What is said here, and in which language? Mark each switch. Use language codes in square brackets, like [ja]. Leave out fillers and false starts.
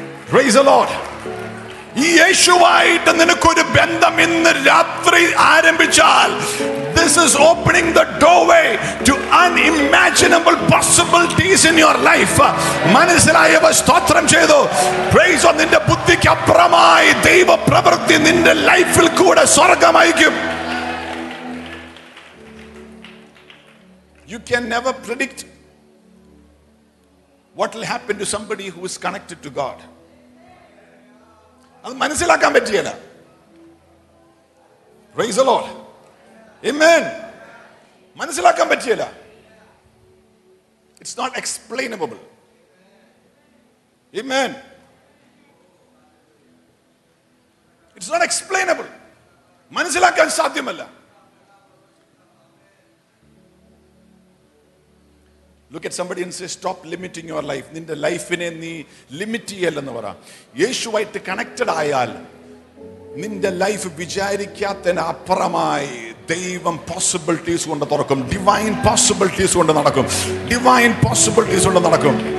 [en] Praise the Lord. [ml] യേശുവായിട്ട് നിനക്ക് ഒരു ബന്ധം ഇന്ന് രാത്രി ആരംഭിച്ചാൽ [en] this is opening the doorway to unimaginable possibilities in your life. [ml] മനസ്സിലായവ സ്തോത്രം ചെയ്തു. Price on. നിന്റെ ബുദ്ധിക്ക് അപ്രമായി ദൈവപ്രവൃത്തി നിന്റെ ലൈഫിൽ കൂടെ സ്വർഗമായിരിക്കും. [en] You can never predict what will happen to somebody who is connected to God. [ml] അത് മനസ്സിലാക്കാൻ പറ്റിയല്ല. [en] Praise the Lord. Amen. [ml] മനസ്സിലാക്കാൻ പറ്റിയല്ല. [en] It's not explainable. Amen. It's not explainable. [ml] മനസ്സിലാക്കാൻ സാധ്യമല്ല. [en] Look at somebody and say, stop limiting your life. [ml] നിന്റെ ലൈഫിനെ നീ ലിമിറ്റ് ചെയ്യല്ലെന്ന് പറ. യേശുവായിട്ട് കണക്റ്റഡ് ആയാൽ നിന്റെ ലൈഫ് വിചാരിക്കാത്തതിന് അപ്പുറമായി ദൈവം പോസിബിലിറ്റീസ് കൊണ്ട് തുറക്കും. ഡിവൈൻ പോസിബിലിറ്റീസ് കൊണ്ട് നടക്കും. ഡിവൈൻ പോസിബിലിറ്റീസ് കൊണ്ട് നടക്കും.